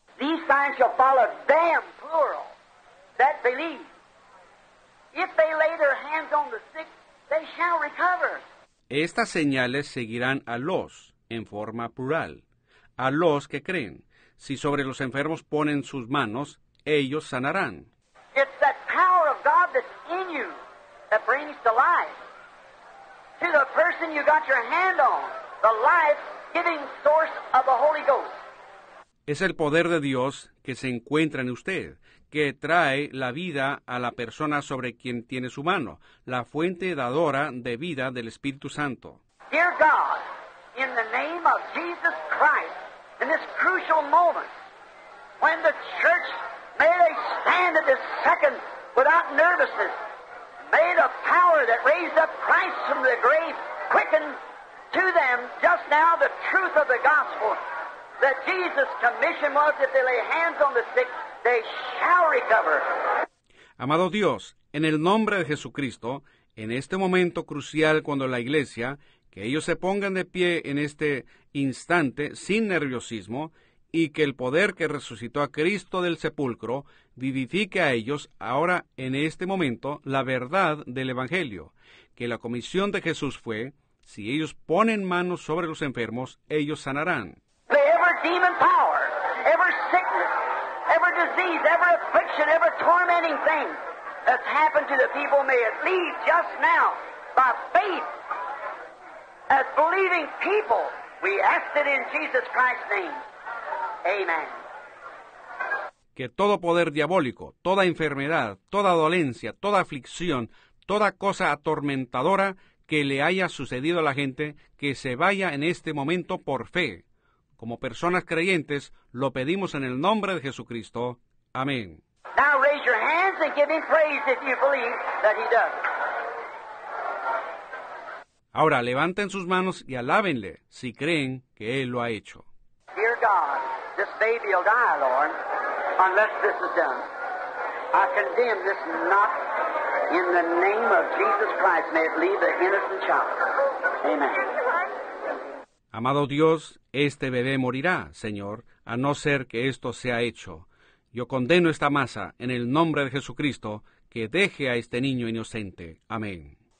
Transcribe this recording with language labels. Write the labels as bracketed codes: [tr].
[en] These signs shall follow them, plural, that believe. If they lay their hands on the sick, they shall recover. [es] Estas señales seguirán a los, en forma plural, a los que creen. Si sobre los enfermos ponen sus manos, ellos sanarán. [en] It's that power of God that's in you that brings to life. To the person you got your hand on, the life-giving source of the Holy Ghost. [es] Es el poder de Dios que se encuentra en usted, que trae la vida a la persona sobre quien tiene su mano, la fuente dadora de vida del Espíritu Santo. [en] Dear God, in the name of Jesus Christ, in this crucial moment, when the church may they stand at this second without nervousness, may the power that raised up Christ from the grave quicken to them just now the truth of the gospel that Jesus' commission was if they lay hands on the sick, they shall recover. [es] Amado Dios, en el nombre de Jesucristo, en este momento crucial cuando la iglesia, que ellos se pongan de pie en este instante sin nerviosismo, y que el poder que resucitó a Cristo del sepulcro vivifique a ellos ahora en este momento la verdad del Evangelio, que la comisión de Jesús fue, si ellos ponen manos sobre los enfermos, ellos sanarán. [en] Every demon power, every sickness, every disease, every affliction, every tormenting thing that's happened to the people, may it leave just now by faith. As believing people, we ask it in Jesus Christ's name. Amen. [es] Que todo poder diabólico, toda enfermedad, toda dolencia, toda aflicción, toda cosa atormentadora que le haya sucedido a la gente, que se vaya en este momento por fe. Como personas creyentes, lo pedimos en el nombre de Jesucristo. Amén. [en] Now raise your hands and give him praise if you believe that he does. [es] Ahora levanten sus manos y alábenle si creen que él lo ha hecho. [en] Dear God, this baby will die, Lord, unless this is done. I condemn this not in the name of Jesus Christ. May it leave the innocent child. Amen. [es] Amado Dios, este bebé morirá, Señor, a no ser que esto sea hecho. Yo condeno esta masa en el nombre de Jesucristo, que deje a este niño inocente. Amén.